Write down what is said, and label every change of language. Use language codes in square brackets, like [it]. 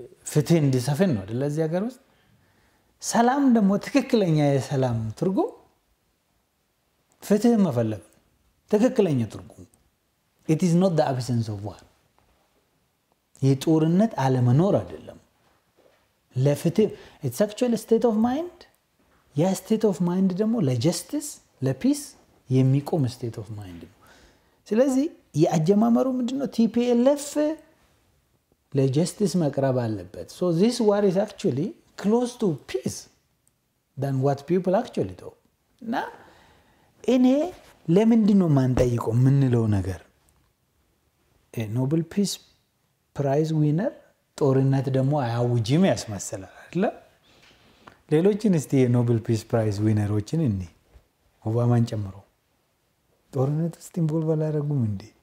[am] ፍትህ እንዲሰፍን ነው አይደል እዚህ ሀገር ውስጥ። ሰላም ደግሞ ትክክለኛ የሰላም ትርጉም ፍትህ መፈለግ ትክክለኛ ትርጉም። [en] ኢት ኢዝ ኖት ዘ አብሰንስ ኦፍ ዋር [am] የጦርነት አለመኖር አይደለም ለፍትህ። [en] ኢትስ አክቹሊ ስቴት ኦፍ ማይንድ [am] ያ ስቴት ኦፍ ማይንድ ደግሞ ለጀስቲስ ለፒስ የሚቆም ስቴት ኦፍ ማይንድ ነው። ስለዚህ የአጀማመሩ ምንድነው? ቲፒኤልኤፍ ለጀስቲስ መቅረብ አለበት። [en] ሶ this war is actually close to peace than what people actually thought. [am] እና እኔ ለምንድነው ማንጠይቀው ምንለው ነገር ኖብል ፒስ ፕራይዝ ዊነር ጦርነት ደግሞ አያውጅም ያስመስላል አይደለ? ሌሎችን እስቲ የኖብል ፒስ ፕራይዝ ዊነሮችን እኔ ኦባማን ጨምሮ ጦርነት ውስጥ ኢንቮልቭ አላደረጉም እንዴ?